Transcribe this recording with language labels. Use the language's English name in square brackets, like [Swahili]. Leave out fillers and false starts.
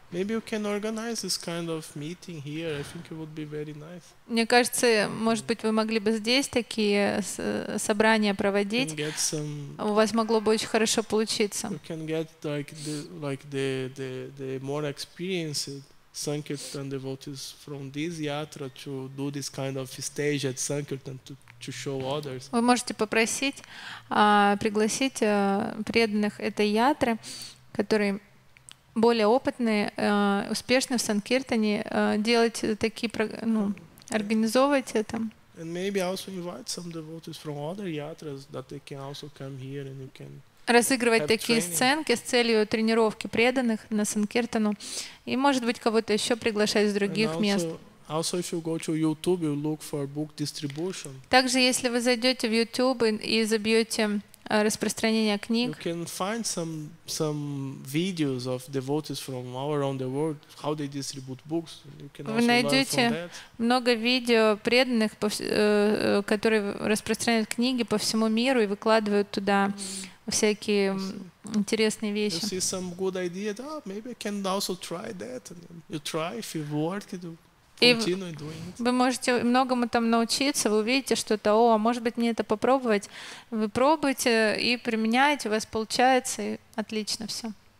[English] Maybe you can organize this kind of meeting here. I think it would be very nice. [Russian] Мне кажется, может быть, вы могли бы здесь такие собрания проводить. [English] Get some, [Russian] у вас могло бы очень хорошо получиться. [English] You can get like the more experienced Sankirtan devotees from this yatra to do this kind of stage at Sankirtan to show others. [Russian] Вы можете попросить пригласить преданных этой ятры, которые более опытные, успешны в санкиртане, делать такие, ну, организовывать это. [English] And maybe also invite some devotees from other yatras that they can also come here and you can [Russian] разыгрывать такие сценки с целью тренировки преданных на санкиртану и, может быть, кого-то еще приглашать с других мест. [English] Also, if you go to YouTube, you look for book distribution. [Russian] Также, если вы зайдете в YouTube и забьете распространение книг, [English] you can find some videos of devotees from all around the world, how they distribute books. You can also [Russian] вы найдете много видео преданных, которые распространяют книги по всему миру и выкладывают туда всякие интересные вещи. [English] You see some good idea, oh, maybe I can also try that. You try, if it works, you continue doing it. [Russian] Вы можете многому там научиться, вы увидите что-то, о, а может быть, мне это попробовать. Вы пробуете и применяете, у вас получается, и отлично все.